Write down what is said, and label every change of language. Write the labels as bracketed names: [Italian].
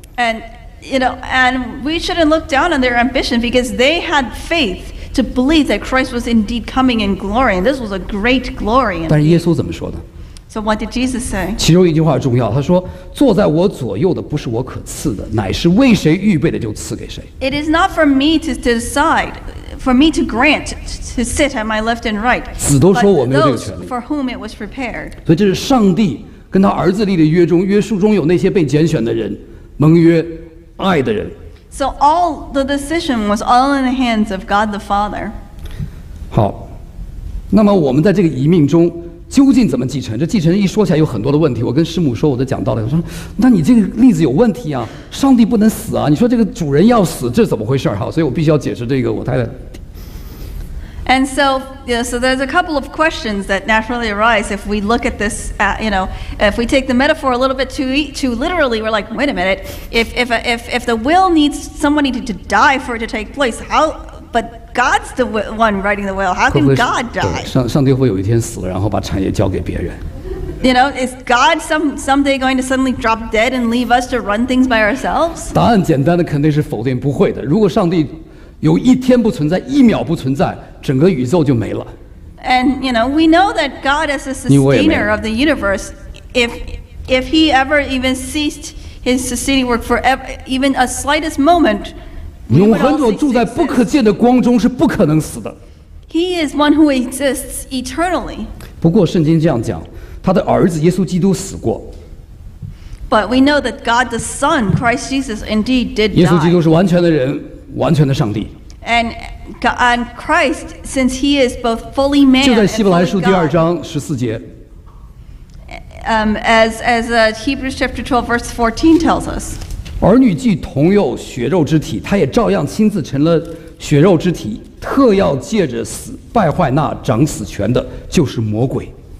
[English] And, you know, and we shouldn't look down on their ambition because they had faith to believe that Christ was indeed coming in glory, and this was a great glory. [Chinese] 但是耶稣怎么说的？ [English] So what did Jesus say? [Chinese] 其中一句话重要，他说：“坐在我左右的不是我可赐的，乃是为谁预备的就赐给谁。” [English] It is not for me to decide, for me to grant to sit at my left and right. [Chinese] 子都说我没有这个权利。 [English] But those for whom it was prepared. [Chinese] 所以这是上帝跟他儿子立的约中，约书中有那些被拣选的人，盟约爱的人。 [English] So all the decision was all in the hands of God the Father. [Chinese] 好，那么我们在这个遗命中。究竟怎么继承？这继承一说起来有很多的问题。我跟师母说，我都讲到了。我说，那你这个例子有问题啊！上帝不能死啊！你说这个主人要死，这怎么回事哈、啊？所以我必须要解释这个我太太。 [English] And so, yeah, so there's a couple of questions that naturally arise if we look at this. You know, if we take the metaphor a little bit too literally, we're like, wait a minute. If the will needs somebody to die for it to take place, how? But God's the one writing the will. How can God die? [Chinese] 上帝会有一天死了，然后把产业交给别人。 [English] You know, is God someday going to suddenly drop dead and leave us to run things by ourselves? [Chinese] 答案简单的肯定是否定，不会的。如果上帝有一天不存在，一秒不存在，整个宇宙就没了。 [English] And you know, we know that God as a sustainer of the universe, if he ever even ceased his sustaining work for ever, even a slightest moment. [Chinese] 永恒者住在不可见的光中是不可能死的。 [English] He is one who exists eternally. [Chinese] 不过圣经这样讲，他的儿子耶稣基督死过。 [English] But we know that God the Son, Christ Jesus, indeed did die. [Chinese] 耶稣基督是完全的人，完全的上帝。 [English] And Christ, since he is both fully man and fully God. [Chinese] 就在希伯来书第二章十四节。 [English] As Hebrews chapter 12 verse 14 tells us. [Chinese] 儿女既同有血肉之体，他也照样亲自成了血肉之体，特要借着死败坏那掌死权的，就是魔鬼。